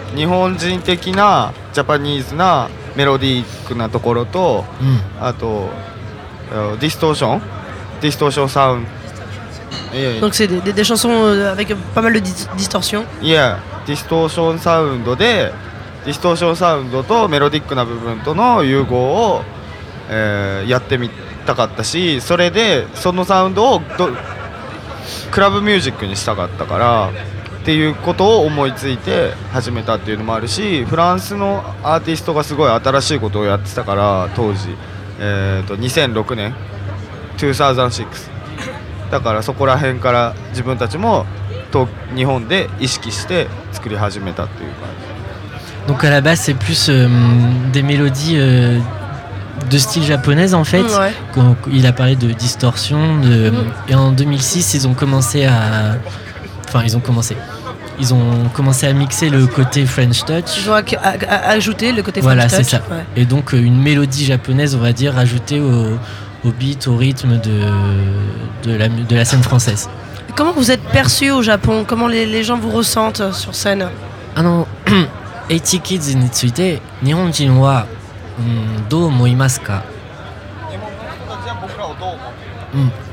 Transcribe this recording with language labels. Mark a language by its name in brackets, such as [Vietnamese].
[Japanese] 日本人的なジャパニーズなメロディックなところと、うん、あとディストーション、ディストーションサウンド。 [French] Donc c'est des chansons avec pas mal de distorsion. [English] Yeah, [Japanese] distortion sound で distortion sound とメロディックな部分との融合を、やってみたかったし、それでそのサウンドをクラブミュージックにしたかったからっていうことを思いついて始めたっていうのもあるし、フランスのアーティストがすごい新しいことをやってたから当時、2006年 2006だからそこら辺から自分たちも日本で意識して作り始めたっていう感じ。 [French] Donc à la base c'est plus des mélodies de style japonaise en fait. Donc il a parlé de distorsion de et en 2006 ils ont commencé à enfin ils ont commencé. Ils ont commencé à mixer le côté French touch. Ils ont ajouté le côté voilà, French touch. Voilà, c'est ça. Ouais. Et donc une mélodie japonaise on va dire ajoutée au beat, au rythme de la scène française. Comment vous êtes perçu au Japon? Comment les gens vous ressentent sur scène? Ah non, [Japanese] Eighty Kids について日本人はどう思いますか？日本人たちは僕らをどう思う？